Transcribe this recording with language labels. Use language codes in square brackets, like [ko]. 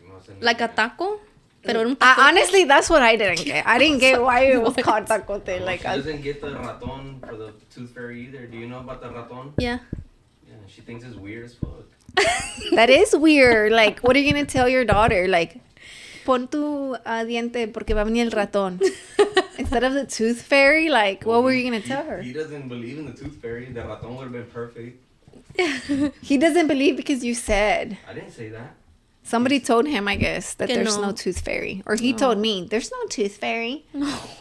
[en] no, like a taco? [es] Pero un taco. [en] Honestly, that's what I didn't get. I didn't get why it was called tacote. She like doesn't get the ratón for the tooth fairy either. Do you know about the ratón? Yeah. She thinks it's weird as fuck. That is weird. Like, what are you going to tell your daughter? [es] Like, pon tu diente porque va a venir el ratón. [en] Instead of the tooth fairy, like, well, what were you going to tell her? He doesn't believe in the tooth fairy. The ratón would have been perfect. He doesn't believe because you said. I didn't say that. Somebody told him, I guess, that there's no tooth fairy. Or he told me, there's no tooth fairy. No.